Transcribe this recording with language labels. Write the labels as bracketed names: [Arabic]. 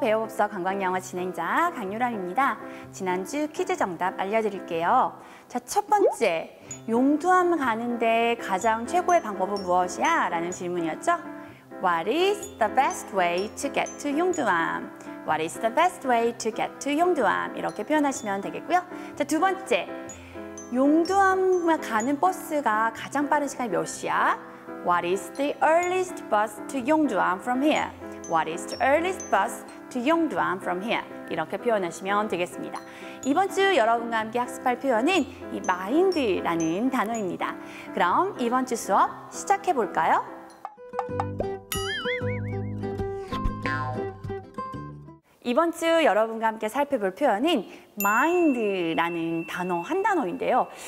[Korean] 배우법서 관광영어 진행자 강유람입니다. 지난주 퀴즈 정답 알려드릴게요. 자, 첫 번째, 용두암 가는데 가장 최고의 방법은 무엇이야? 라는 질문이었죠. [English] What is the best way to get to 용두암? What is the best way to get to 용두암? [Korean] 이렇게 표현하시면 되겠고요. 자, 두 번째, 용두암 가는 버스가 가장 빠른 시간이 몇 시야? [English] What is the earliest bus to 용두암 from here? What is the earliest bus to 용두암 from here? [Korean] 이렇게 표현하시면 되겠습니다. 이번 주 여러분과 함께 학습할 표현은 이 mind라는 단어입니다. 그럼 이번 주 수업 시작해 볼까요? 이번 주 여러분과 함께 살펴볼 표현은 mind라는 단어, 한 단어인데요.